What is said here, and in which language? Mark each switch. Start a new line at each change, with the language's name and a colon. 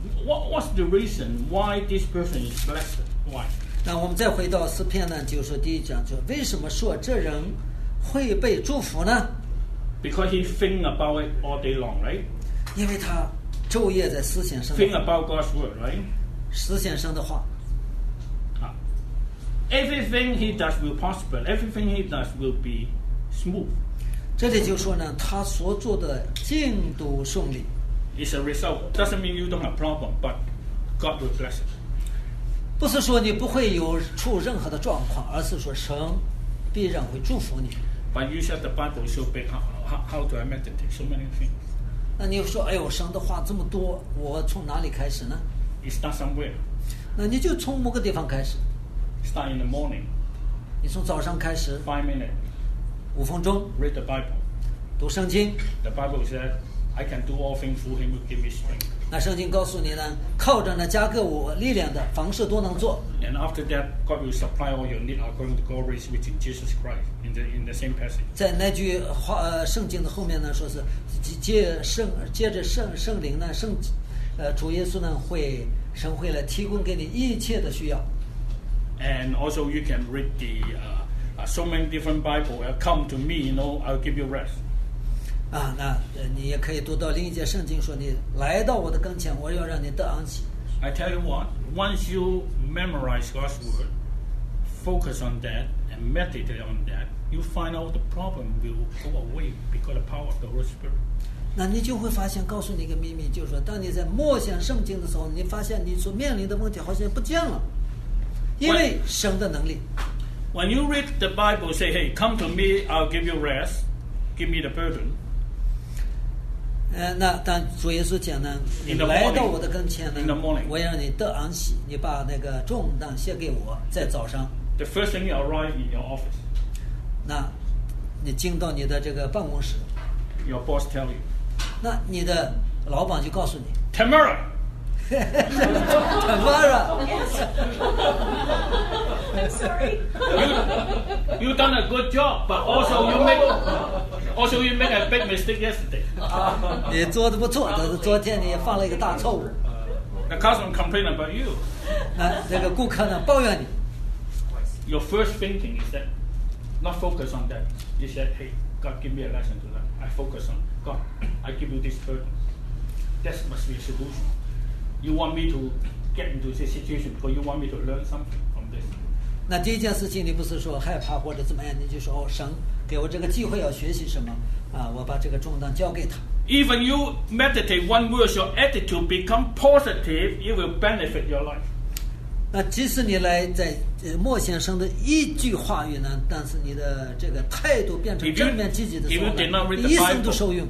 English: What's the reason why this person is blessed? Why?
Chinese: 那我们再回到诗篇呢，就是第一章，就为什么说这人会被祝福呢
English: ？Because he think about it all day long, right?
Chinese: 因为他昼夜在思想上。
English: Think about God's word, right?
Chinese: 思想上的话。
English: Everything he does will prosper. Everything he does will be smooth.
Chinese: 这里就说呢，他所做的进度顺利。
English: It's a result. Doesn't mean you don't have problem, but God will bless it.
Chinese: 不是说你不会有出任何的状况，而是说神必然会祝福你。
English: But you said the Bible is so big. How do I meditate? So many things.
Chinese: 那你说，哎呦，神的话这么多，我从哪里开始呢
English: ？It starts somewhere.
Chinese: 那你就从某个地方开始。
English: Start in the morning.
Chinese: 你从早上开始。
English: 5 minutes.
Chinese: 5分钟.
English: Read the Bible.
Chinese: 读圣经。
English: The Bible says, "I can do all things through Him who gives me strength."
Chinese: 那圣经告诉你呢，靠着那加给我力量的，凡事都能做。
English: And after that, God will supply all your need according to glory which is Jesus Christ. In the same passage.
Chinese: 在那句话，圣经的后面呢，说是借着圣灵呢，主耶稣呢，神会来提供给你一切的需要。
English: And also, you can read the so many different Bible. Come to me, you know, I'll give you rest.
Chinese: 啊，那你也可以读到另一节圣经，说你来到我的跟前，我要让你得安息。
English: I tell you what, once you memorize God's word, focus on that and meditate on that, you find out the problem will go away because the power of the Holy Spirit.
Chinese: 那你就会发现，告诉你一个秘密，就是说，当你在默想圣经的时候，你发现你所面临的问题好像不见了，因为神的能力。
English: When you read the Bible, say, "Hey, come to me, I'll give you rest, give me the burden."
Chinese: 那当主耶稣讲呢，你来到我的跟前呢，
English: in the morning,
Chinese: 我要你得安息，你把那个重担卸给我，在早上。
English: The first thing you arrive in your office.
Chinese: 那，你进到你的这个办公室。
English: Your boss tell you.
Chinese: 那你的老板就告诉你。
English: Tomorrow. Tomorrow. Yes. Sorry. You done a good job, but also you make a big mistake yesterday.
Chinese: 你做的不错，但是昨天你犯了一个大错误。
English: The customer complain about you.
Chinese: 那这个顾客呢抱怨你。
English: Your first thinking is that not focus on that. You said, "Hey, God, give me a lesson to learn." I focus on God. I give you this burden. That must be a solution. You want me to get into this situation, but you want me to learn something from this.
Chinese: 那第一件事情，你不是说害怕或者怎么样？你就说，哦，神给我这个机会要学习什么啊？我把这个重担交给他。
English: Even you meditate one word, your attitude become positive. It will benefit your life.
Chinese: 那即使你来在默想神的一句话语呢，但是你的这个态度变成正面积极的时候，你一生都受用。